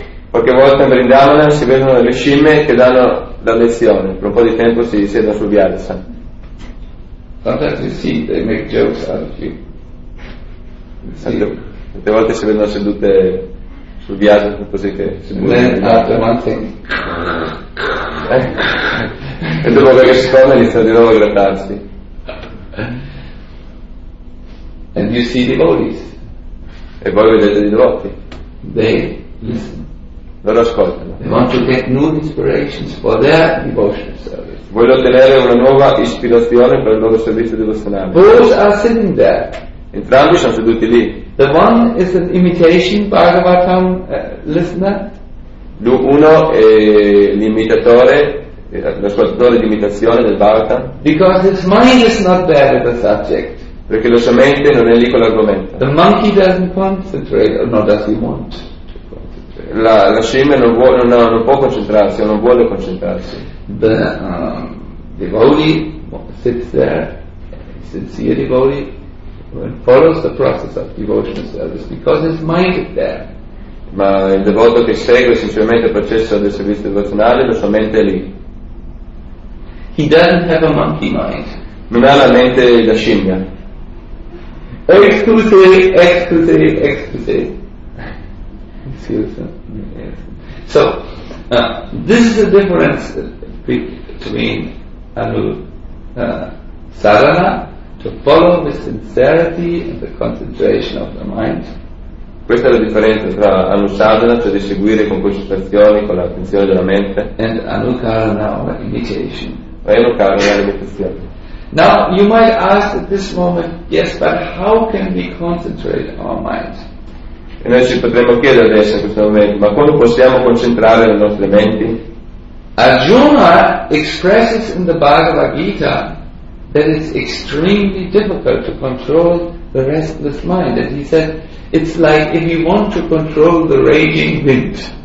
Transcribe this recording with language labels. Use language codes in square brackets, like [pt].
[it] Qualche volta in Vrindavan si vedono delle scimmie che danno la lezione. Per un po' di tempo si siedono su Vyasa. [en] Sometimes you see they make jokes out of you. [it] Tante volte si vedono sedute sul viaggio così che si e dopo che si torna inizia di nuovo a grattarsi. [en] And you see devotees. [it] E voi vedete i devoti. [en] They listen. [it] Loro ascoltano. [en] They want to get new inspirations for their devotion service. [it] Vogliono ottenere una nuova ispirazione per il loro servizio devozionale. [en] Both are sitting there. [it] Entrambi sono seduti lì. [en] The one is an imitation Bhagavatam listener. [it] Uno è l'imitatore, l'ascoltatore di imitazione del Bhagavatam. [en] Because his mind is not there with the subject. [it] Perché la sua mente non è lì con l'argomento. [en] The monkey doesn't concentrate, or not does he want. [it] La scimmia non vuole, non può concentrarsi, o non vuole concentrarsi. [en] The devotee sits there, sincere devotee. And follows the process of devotional service because his mind is there. [it] Ma il devoto che segue sinceramente il processo del servizio devozionale, la sua mente è lì. [en] He doesn't have a monkey mind. [it] Non ha la mente da scimmia. [en] Exclusive. Excuse me. So this is the difference between sarana, to follow the sincerity and the concentration of the mind. [it] Questa è la differenza tra anusadana, cioè di seguire con concentrazione, con l'attenzione della mente, [en] and anukarana, or imitation. [it] Anukarana, l'imitazione. [en] Now, you might ask at this moment, yes, but how can we concentrate our mind? [it] E noi ci potremmo chiedere adesso in questo momento, ma come possiamo concentrare le nostre menti? [en] Arjuna expresses in the Bhagavad Gita that it's extremely difficult to control the restless mind. And he said, it's like if you want to control the raging wind.